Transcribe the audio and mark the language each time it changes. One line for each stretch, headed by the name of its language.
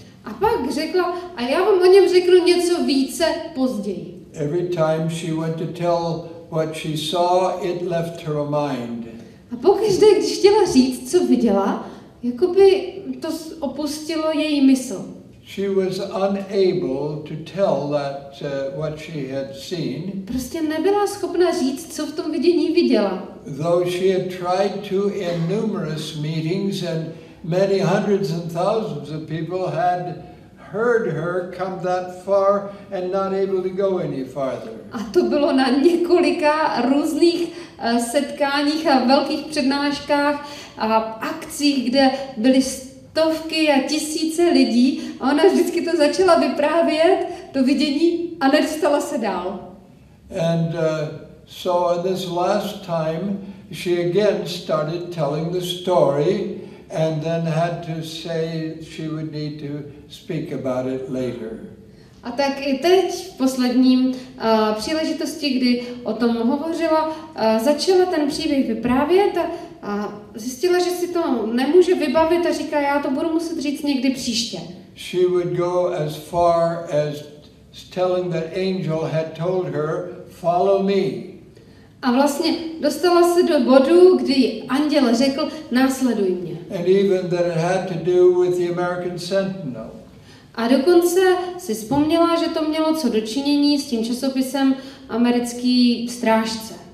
Czech: A pak řekla, a já vám o něm řeknu něco více později.
English: Every time she went to tell what she saw, it left her mind.
Czech: A pokaždé, když chtěla říct, co viděla, jakoby to opustilo její mysl.
English: She was unable to tell that what she had seen.
Czech: Prostě nebyla schopna říct, co v tom vidění viděla.
English: Though she had tried to in numerous meetings and many hundreds and thousands of people had heard her come that far and not able to go any farther.
Czech: A to bylo na několika různých setkáních a velkých přednáškách a akcích, kde byly stovky a tisíce lidí, a ona vždycky to začala vyprávět, to vidění, a nedostala se dál.
English: And so this last time she again started telling the story and then had to say she would need to speak about it later.
Czech: A tak i teď v posledním příležitosti, kdy o tom hovořila, začala ten příběh vyprávět a zjistila, že si to nemůže vybavit a říká, já to budu muset říct někdy příště.
English: She would go as far as telling that angel had told her, follow me.
Czech: A vlastně dostala se do bodu, kdy anděl řekl, následuj mě.
English: And even that it had to do with the American Sentinel.
Czech: A dokonce si vzpomněla, že to mělo co dočinění s tím časopisem Americký strážce.